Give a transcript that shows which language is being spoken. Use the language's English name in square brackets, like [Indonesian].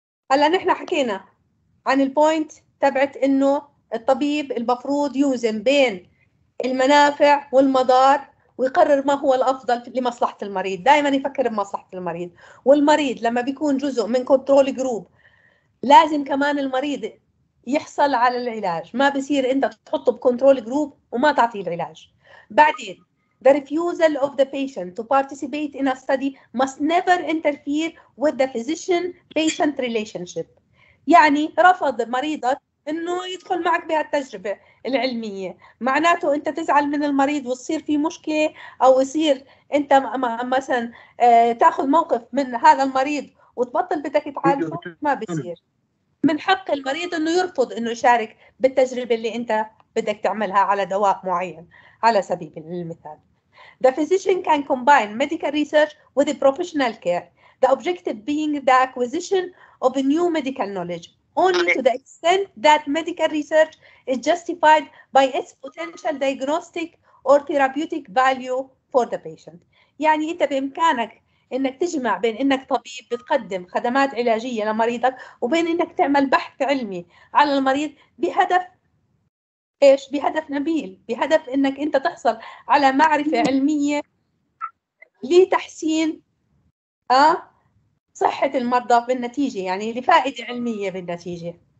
[Arabic] هلا نحن حكينا عن البوينت تبعت انه الطبيب المفروض يوزن بين المنافع والمضار ويقرر ما هو الافضل لمصلحه المريض، دائما يفكر بمصلحه المريض. والمريض لما بيكون جزء من كنترول جروب لازم كمان المريض يحصل على العلاج، ما بصير انت تحطه بكنترول جروب وما تعطيه العلاج. [English] بعدين the refusal of the patient to participate in a study must never interfere with the physician patient relationship. [Arabic] يعني رفض مريضك انه يدخل معك بهالتجربه العلميه، معناته انت تزعل من المريض وتصير في مشكله او يصير انت مثلا تاخذ موقف من هذا المريض وتبطل بدك تعالجه، ما بصير. من حق المريض انه يرفض انه يشارك بالتجربه اللي انت بدك تعملها على دواء معين على سبيل المثال. [English] The physician can combine medical research with professional care, the objective being the acquisition of new medical knowledge. Only to the extent that medical research is justified by its potential diagnostic or therapeutic value for the patient. [Arabic] يعني أنت بإمكانك إنك تجمع بين إنك طبيب بتقدم خدمات علاجية لمريضك وبين إنك تعمل بحث علمي على المريض بهدف إيش؟ بهدف نبيل، بهدف إنك أنت تحصل على معرفة علمية لتحسين صحة المرضى بالنتيجة، يعني لفائدة علمية بالنتيجة.